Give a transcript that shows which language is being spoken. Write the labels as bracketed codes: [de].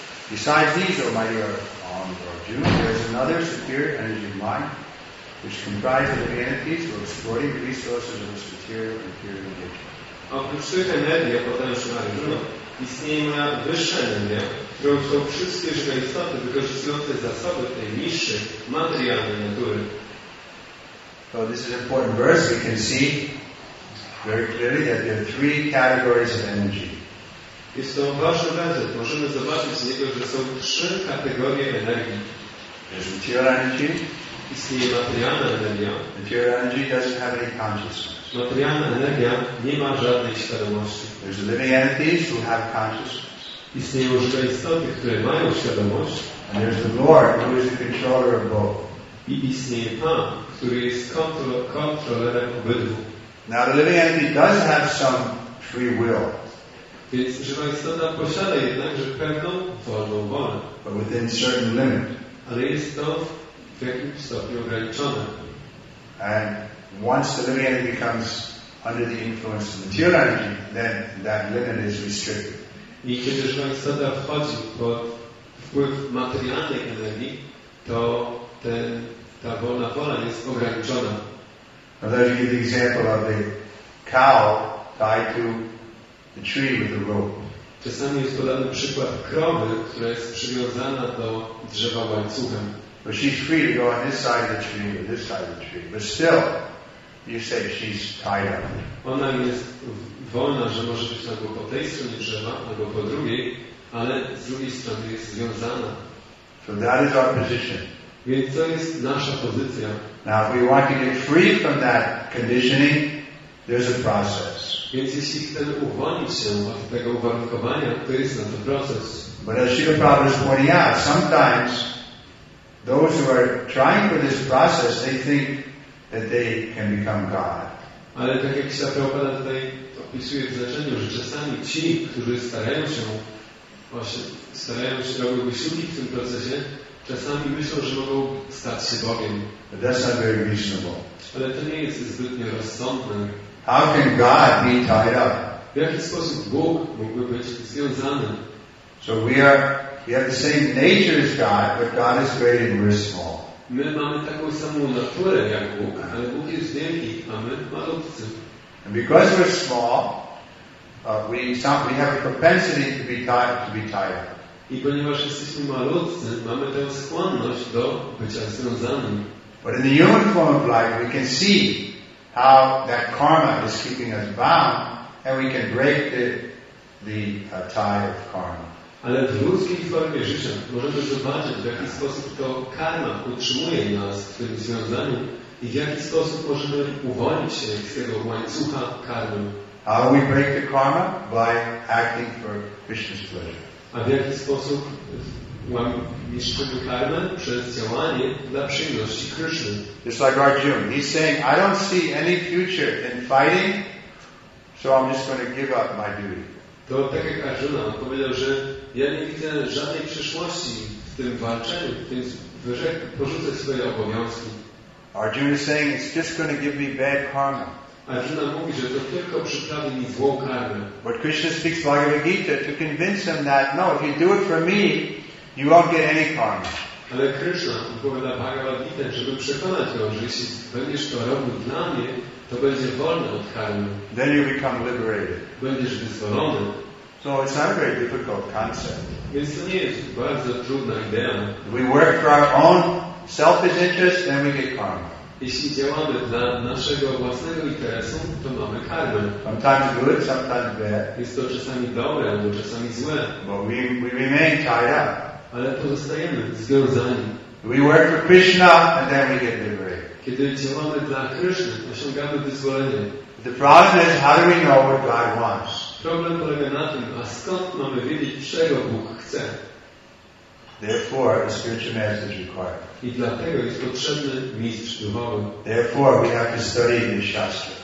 [en] Besides these, O my dear Om Dorjun, there is another superior energy of mind which comprises the entities who are exploiting the resources of this material and pure nature. [pl] Oprócz tych energii, o potężnym Arjuna, istnieje moja wyższa energia, którą są wszystkie żywe istoty wykorzystujące zasoby tej niższej, materialnej natury. [en] So this is an important verse. We can see very clearly that there are three categories of energy. [pl] Jest to ważny werset. Możemy zobaczyć z niego, że są trzy kategorie energii. [en] material energy. Is the [pl] materialna energia. [en] Material energy doesn't have any consciousness. [pl] Materialna energia nie ma żadnej świadomości. [en] There's living entities who have consciousness. [pl] Istnieją żywe istoty, które mają świadomość. [en] And there's the Lord, who is the controller of both. [pl] I istnieje Pan, który jest kontrolerem obydwu. [en] Now the living entity does have some free will. [pl] Więc żywa istota posiada jednakże pewną wolną wolę. [en] But within certain limit. [pl] Ale jest to w jakimś stopniu ograniczone. [en] And once the living entity becomes under the influence of material energy, then that limit is restricted. [pl] I kiedy żywa istota wchodzi pod wpływ materialnej energii, to ta wolna wola jest ograniczona. [en] I'll let you give the example of the cow tied to the tree with the rope. [pl] Czasami jest podany przykład krowy, która jest przywiązana do drzewa łańcuchem. [en] But she's free to go on this side of the tree or this side of the tree. But still, you say she's tied up. [pl] Ona jest wolna, że może być albo po tej stronie drzewa, albo po drugiej, ale z drugiej strony jest związana. [en] So that is our position. [pl] Więc to jest nasza pozycja. [en] Now, if we want to get free from that conditioning, there's a process. [pl] Więc jeśli chcemy uwolnić się od tego uwarunkowania, to jest na to proces. [en] But as Srila Prabhupada is pointing out, sometimes those who are trying for this process, they think that they can become God. [pl] Ale tak jak Srila Prabhupada tutaj opisuje w znaczeniu, że czasami ci, którzy starają się robić wysiłki w tym procesie, czasami myślą, że mogą stać się Bogiem. [en] But that's not very reasonable. [pl] Ale to nie jest zbytnio rozsądne. [en] How can God be tied up? [pl] W jaki sposób Bóg mógłby być związany? [en] So we have the same nature as God, but God is great and we're small. [pl] My mamy taką samą naturę jak Bóg, ale Bóg jest wielki, a my malutcy. [en] And because we're small, we have a propensity to be tied up. [pl] I ponieważ jesteśmy malutcy, mamy tę skłonność do bycia związanym. [en] But in the human form of life, we can see how that karma is keeping us bound, and we can break the tie of karma. [pl] Ale w ludzkiej formie życia możemy zobaczyć, w jaki sposób to karma utrzymuje nas w tym związaniu i w jaki sposób możemy uwolnić się z tego łańcucha karmy. [en] How we break the karma? By acting for Krishna's pleasure. [pl] A w jaki sposób niszczymy karmę? Przez działanie dla przyjemności Krishna. [en] Just like Arjuna, he's saying, I don't see any future in fighting, so I'm just going to give up my duty. [pl] To tak jak Arjuna, on powiedział, że ja nie widzę żadnej przyszłości w tym walczeniu, więc porzucę swoje obowiązki. [en] Arjuna is saying, it's just going to give me bad karma. [pl] Arjuna mówi, że to tylko przyprawi mi złą karmę. [en] But Krishna speaks Bhagavad Gita to convince him that no, if you do it for me, you won't get any karma. [pl] Ale Krishna opowiada Bhagavad Gita, żeby przekonać go, że jeśli będziesz to robił dla mnie, to będzie wolny od karmy. [en] Then you become liberated. [pl] Będziesz wyzwolony. [en] So it's not a very difficult concept. [pl] Więc to nie jest bardzo trudna idea. [en] We work for our own selfish interest, then we get karma. [pl] Jeśli działamy dla naszego własnego interesu, to mamy karmę. [en] Sometimes good, sometimes bad. [pl] Jest to czasami dobre, albo czasami złe. [en] But we remain tied up. [pl] Ale pozostajemy związani. [en] We work for Krishna, and then we get liberated. [pl] Kiedy działamy dla Krishna, osiągamy wyzwolenie. [en] The problem is, how do we know what God wants? [pl] Problem polega na tym, a skąd mamy wiedzieć, czego Bóg chce? [en] Therefore, a spiritual master is required. [pl] I dlatego jest potrzebny mistrz duchowy. [en] Therefore, we have to study the shastra.